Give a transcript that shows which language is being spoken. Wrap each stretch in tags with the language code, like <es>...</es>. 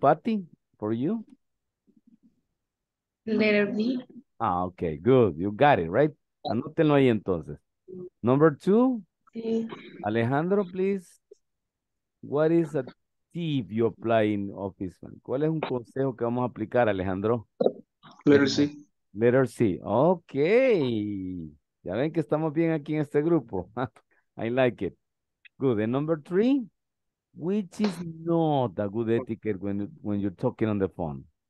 <en>Patty, for you? Letter B. Ah, okay, good. You got it, right?</en> <es>Anótenlo ahí entonces.</es> <en>Number 2.</en> <es>Sí.</es> <en>Alejandro, please. What is a tip you apply in office, man?</en> <es>¿Cuál es un consejo que vamos a aplicar, Alejandro?</es> <en>Letter C. Letter C. Okay.</en> <es>Ya ven que estamos bien aquí en este grupo.</es> <en>I like it. Good. And number 3. Which is not a good etiquette when you're talking on the phone?</en>